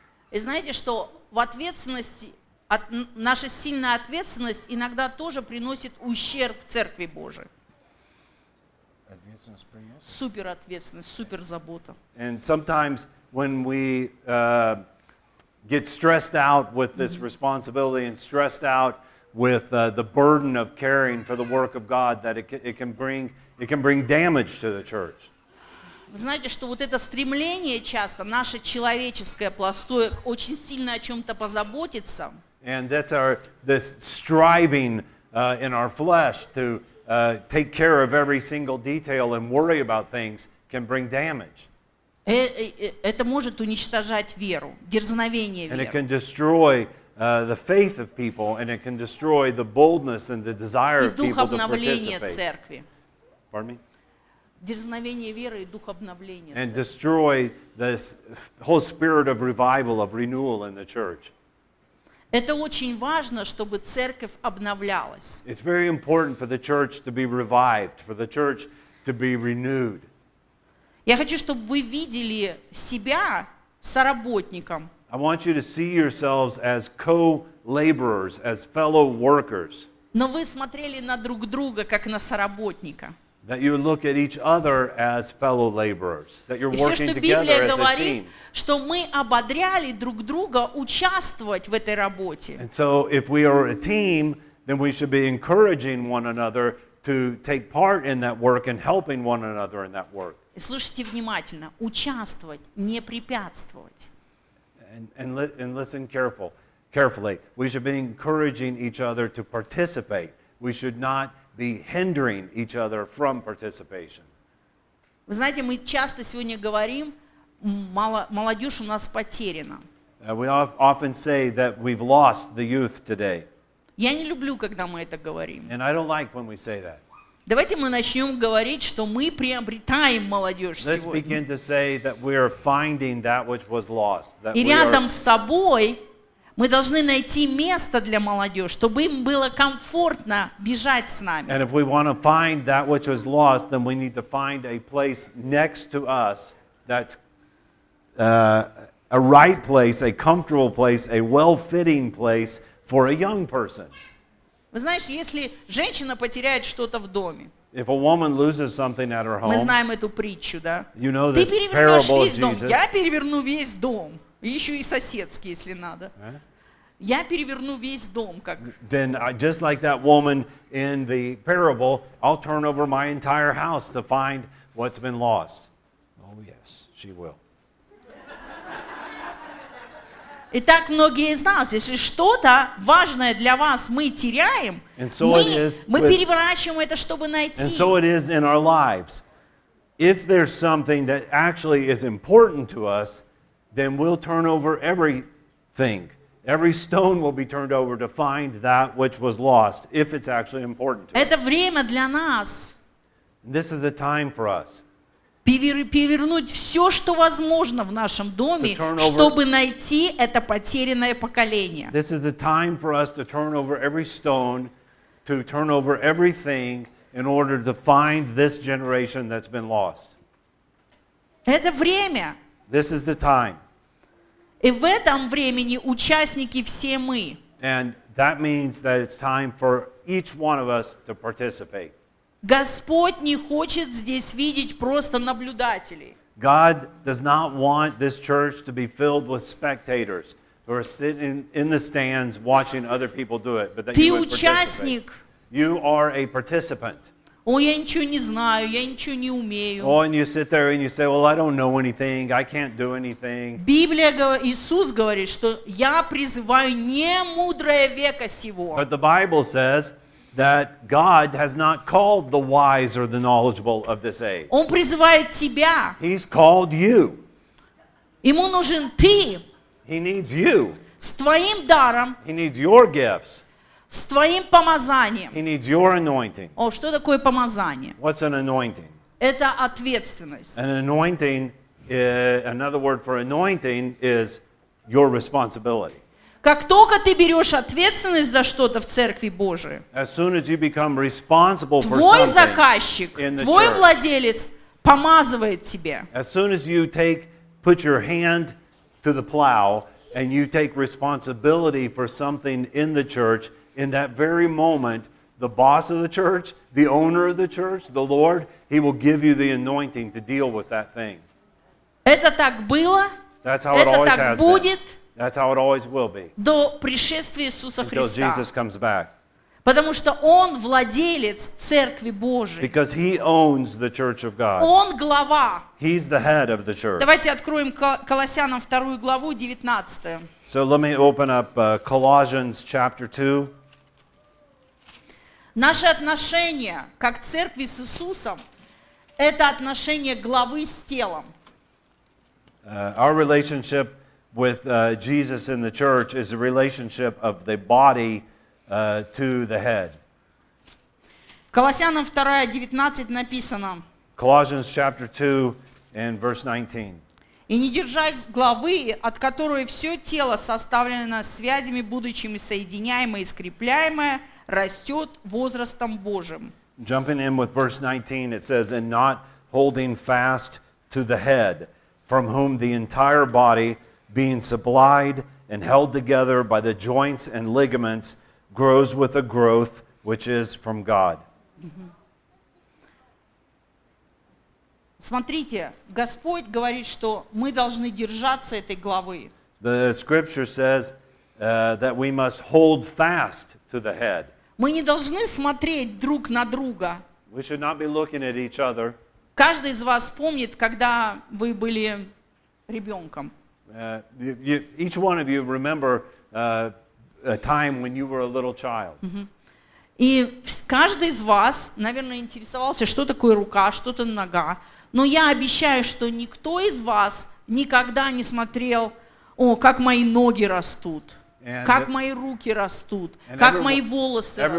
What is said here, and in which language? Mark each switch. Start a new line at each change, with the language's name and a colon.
Russian: И знаете, что в ответственности, наша сильная ответственность иногда тоже приносит ущерб Церкви Божией. Супер ответственность, супер забота.
English: And sometimes when we get stressed out with this responsibility and stressed out with the burden of caring for the work of God, that it can bring damage to the church.
Russian: Вы знаете, что вот это стремление часто, наше человеческое пластое, очень сильно о чем-то позаботиться.
English: And that's this striving in our flesh to take care of every single detail and worry about things can bring damage.
Russian: Это может уничтожать веру, дерзновение веры.
English: And it can destroy the faith of people, and it can destroy the boldness and the desire of people to participate. Pardon me?
Russian: Дерзновение веры и дух обновления.
English: And destroy this whole spirit of revival, of renewal in the church.
Russian: Это очень важно, чтобы церковь обновлялась.
English: It's very important for the church to be revived, for the church to be renewed.
Russian: Я хочу, чтобы вы видели себя соработником.
English: I want you to see yourselves as co-laborers, as fellow workers.
Russian: Но вы смотрели на друг друга как на соработника.
English: That you look at each other as fellow laborers, that you're working together as a team. And so if we are a team, then we should be encouraging one another to take part in that work and helping one another in that work.
Russian: Слушайте внимательно. Участвовать, не препятствовать.
English: And listen carefully. We should be encouraging each other to participate. We should not be hindering each other from participation.
Russian: Вы знаете, мы часто сегодня говорим, молодежь у нас потеряна.
English: We often say that we've lost the youth today.
Russian: Я не люблю, когда мы это говорим.
English: And I don't like when we say that.
Russian: Давайте мы начнем говорить, что мы приобретаем молодежь сегодня.
English: Let's begin to say that we are finding that which was lost.
Russian: И рядом с собой мы должны найти место для молодежи, чтобы им было комфортно бежать с нами.
English: And if we want to find that which was lost, then we need to find a place next to us that's a right place, a comfortable place, a well-fitting place for a young person.
Russian: Вы знаете, если женщина потеряет что-то в доме,
English: if a woman loses something at her home,
Russian: мы знаем эту притчу, да?
English: You know this parable of Jesus.
Russian: Я переверну весь дом. Еще и соседский, если надо. Я переверну весь дом, как.
English: Then, just like that woman in the parable, I'll turn over my entire house to find what's been lost. Oh yes, she will.
Russian: Итак, многие из нас, если что-то важное для вас мы теряем, мы переворачиваем это, чтобы найти.
English: And so it is in our lives. If there's something that actually is important to us, then we'll turn over everything. Every stone will be turned over to find that which was lost, if it's actually important to us. This is the time for us.
Russian: Перевернуть все, что возможно в нашем доме, чтобы найти это потерянное поколение.
English: This is the time for us to turn over every stone, to turn over everything in order to find this generation that's been lost.
Russian: Это время.
English: This is the time.
Russian: И в этом времени участники все мы.
English: And that means that it's time for each one of us to participate.
Russian: Господь не хочет здесь видеть просто наблюдателей.
English: God does not want this church to be filled with spectators who are sitting in the stands watching other people do it, but that
Russian: ты
English: you would
Russian: участник.
English: Participate. You are a participant.
Russian: Ой, я ничего не знаю, я ничего не умею.
English: Oh, and you sit there and you say, well, I don't know anything, I can't do anything.
Russian: Библия, Иисус говорит, что я призываю не мудрое века сего.
English: But the Bible says that God has not called the wise or the knowledgeable of this age.
Russian: Он призывает тебя.
English: He's called you.
Russian: Ему нужен ты.
English: He needs you.
Russian: С твоим даром.
English: He needs your gifts.
Russian: С твоим помазанием.
English: He needs your anointing.
Russian: О, что такое помазание?
English: What's an anointing?
Russian: Это ответственность.
English: An anointing, another word for anointing is your responsibility.
Russian: Как только ты берешь ответственность за что-то в Церкви Божией,
English: as soon as you become responsible for
Russian: твой заказчик, твой владелец помазывает тебя.
English: As soon as you put your hand to the plow and you take responsibility for something in the church, in that very moment, the boss of the church, the owner of the church, the Lord, he will give you the anointing to deal with that thing.
Russian: Это так было.
English: That's how it always has been. That's how it always will be.
Russian: До пришествия Иисуса Христа.
English: Until Jesus comes back.
Russian: Потому что он владелец Церкви Божией.
English: Because he owns the church of God.
Russian: Он глава.
English: He's the head of the church.
Russian: Давайте откроем Колоссянам 2 главу, 19.
English: So let me open up Colossians chapter 2.
Russian: Наши отношения как церкви с Иисусом – это отношения главы с телом.
English: Our relationship with Jesus in the church is a relationship of the body to the head.
Russian: Колоссянам 2, 19 написано.
English: Colossians chapter 2 and verse 19.
Russian: И не держась главы, от которой все тело составлено связями, будучими соединяемое и скрепляемое, растет возрастом Божьим.
English: Jumping in with verse 19, it says, and not holding fast to the head, from whom the entire body, being supplied and held together by the joints and ligaments, grows with a growth which is from God.
Russian: Смотрите, Господь говорит, что мы должны держаться этой главы.
English: The scripture says that we must hold fast to the head.
Russian: Мы не должны смотреть друг на друга.
English: We should not be looking at each other.
Russian: Каждый из вас помнит, когда вы были ребенком.
English: Each one of you remember a time when you were a little child.
Russian: И каждый из вас, наверное, интересовался, что такое рука, что такое нога. Но я обещаю, что никто из вас никогда не смотрел, о, как мои ноги растут, как мои руки растут, как мои волосы растут.